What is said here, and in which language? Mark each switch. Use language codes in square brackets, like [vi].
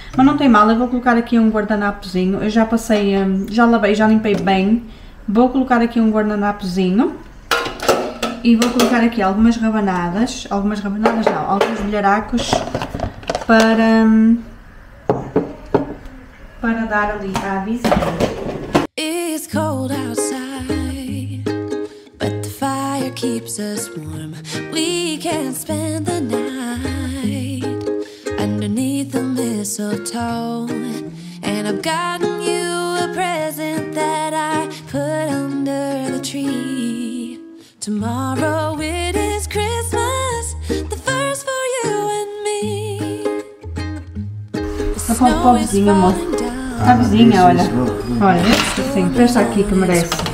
[pt] Mas não tem mal, eu vou colocar aqui um guardanapozinho. Eu já passei, já lavei, já limpei bem. Vou colocar aqui um guardanapozinho e vou colocar aqui alguns bilharacos para dar ali à vizinha. [en] It's cold outside, but the fire keeps us warm. Can't spend the night underneath the mistletoe, and I've gotten you a present that I put under the tree. Tomorrow it is Christmas, the first for you and me. [pt] com a vizinha, amor. Está a vizinha, olha. Olha, assim, presta aqui que merece.